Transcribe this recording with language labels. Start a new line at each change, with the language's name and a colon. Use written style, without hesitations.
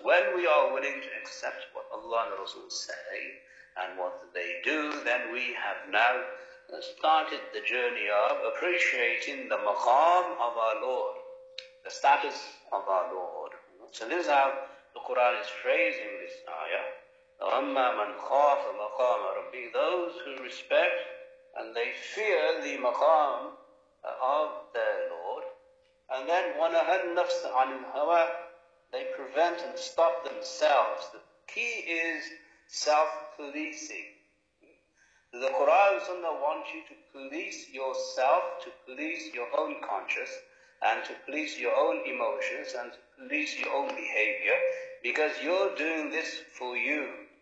English: When we are willing to accept what Allah and the Rasul say and what they do, then we have now started the journey of appreciating the maqam of our Lord, the status of our Lord. So this is how the Quran is phrasing this ayah.
Arabic: أَمَّا مَنْ خَافَ مَقَامَ رَبِّهِ.
English: Those who respect and they fear the maqam of their Lord. And then
Arabic: وَنَهَدْ نَفْسَ عَنِ الْهَوَى.
English: They prevent and stop themselves. The key is self-policing. The Qur'an and Sunnah want you to police yourself, to police your own conscience, and to police your own emotions, and to police your own behavior, because you're doing this for you.